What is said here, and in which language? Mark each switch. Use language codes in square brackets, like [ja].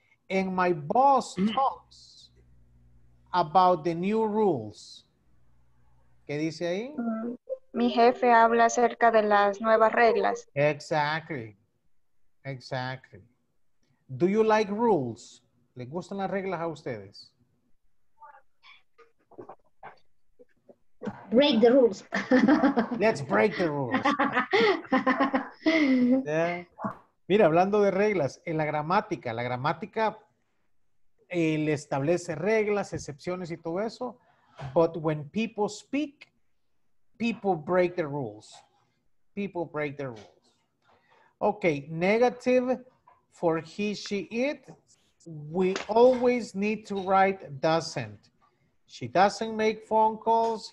[en] And my boss talks about the new rules. [es] ¿Qué dice ahí? Mi jefe habla acerca de las nuevas reglas. [en] Exactly. Do you like rules? [es] ¿Le gustan las reglas a ustedes? [en] Break the rules. Let's break the rules. Yeah. [es] Mira, hablando de reglas, en la gramática él establece reglas, excepciones y todo eso. [en] But when people speak, people break the rules. People break the rules. Okay, negative for he, she, it. We always need to write doesn't. She doesn't make phone calls.